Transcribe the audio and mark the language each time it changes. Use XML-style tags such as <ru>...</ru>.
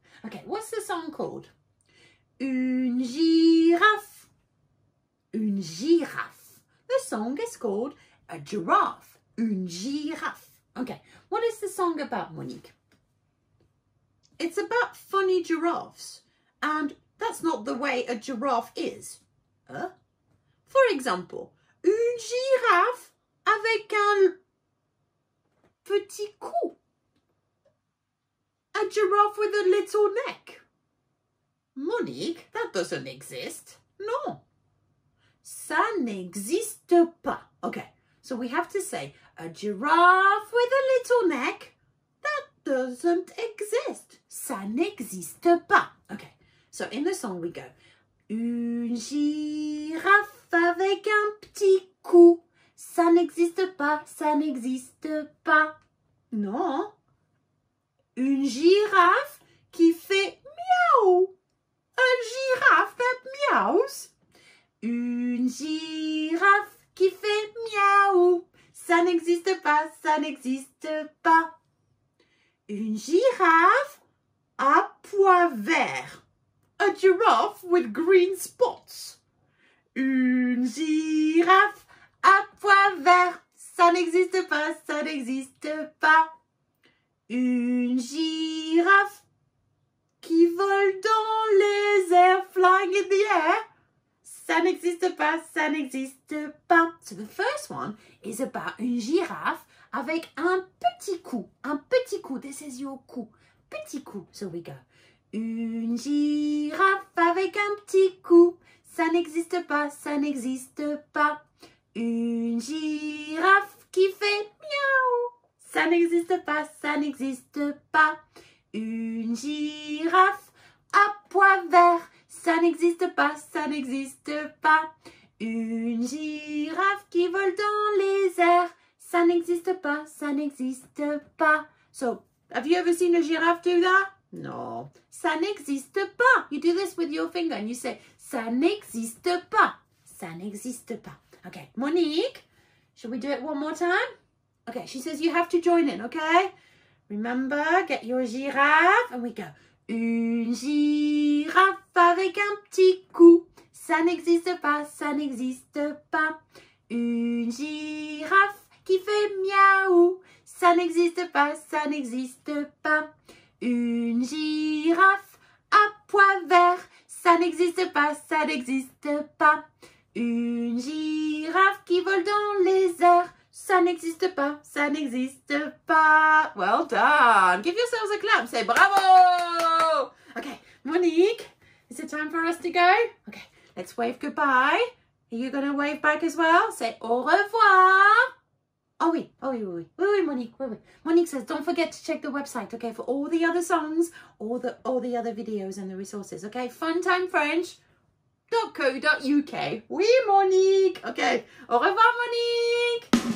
<en>Okay, what's the song called?</en> <fr>Une girafe. Une girafe.</fr> <en>The song is called A Giraffe.</en> <fr>Une girafe.</fr> <en>Okay, what is the song about, Monique? It's about funny giraffes. And that's not the way a giraffe is. For example,</en> <fr>une girafe avec un petit cou.</fr> <en>A giraffe with a little neck. Monique, that doesn't exist. No.</en> <fr>Ça n'existe pas.</fr> <en>Okay, so we have to say, a giraffe with a little neck, that doesn't exist.</en> <fr>Ça n'existe pas.</fr> <en>Okay, so in the song we go,</en> <fr>une girafe avec un petit cou. Ça n'existe pas, ça n'existe pas. Non. Une girafe qui fait miaou.</fr> <en>A giraffe that meows.</en> <fr>Une girafe qui fait miaou. Ça n'existe pas, ça n'existe pas. Une girafe à pois verts.</fr> <en>A giraffe with green spots.</en> <fr>Une girafe à pois verts. Ça n'existe pas, ça n'existe pas. Une girafe qui vole dans les airs,</fr> <en>flying in the air.</en> <fr>Ça n'existe pas, ça n'existe pas.</fr> <en>So the first one is about</en> <fr>une girafe avec un petit cou. Un petit cou,</fr> <en>this is your</en> <fr>cou. Petit cou,</fr> <en>so we go.</en> <fr>Une girafe avec un petit cou. Ça n'existe pas, ça n'existe pas. Une girafe qui fait miaou. Ça n'existe pas, ça n'existe pas. Une girafe à pois verts, ça n'existe pas, ça n'existe pas. Une girafe qui vole dans les airs, ça n'existe pas, ça n'existe pas.</fr> <en>So, have you ever seen a giraffe do that? No.</en> <fr>Ça n'existe pas.</fr> <en>You do this with your finger and you say,</en> <fr>ça n'existe pas, ça n'existe pas.</fr> <en>Okay, Monique, shall we do it one more time? Okay, she says you have to join in, okay? Remember, get your girafe, and we go.</en> <fr>Une girafe avec un petit cou. Ça n'existe pas, ça n'existe pas. Une girafe qui fait miaou. Ça n'existe pas, ça n'existe pas. Une girafe à pois verts. Ça n'existe pas, ça n'existe pas. Une girafe qui vole dans les airs. Ça n'existe pas, ça n'existe pas.</fr> <en>Well done. Give yourselves a clap. Say bravo. Okay, Monique, is it time for us to go? Okay, let's wave goodbye. Are you going to wave back as well?</en> <fr>Say au revoir. Oh, oui. Oh, oui, oui. Oui, oui, Monique. Oui, oui.</fr> <en>Monique says, don't forget to check the website, okay, for all the other songs, all the other videos and the resources. Okay, funtimefrench.co.uk.</en> <fr>Oui, Monique. Okay, au revoir, Monique.</fr>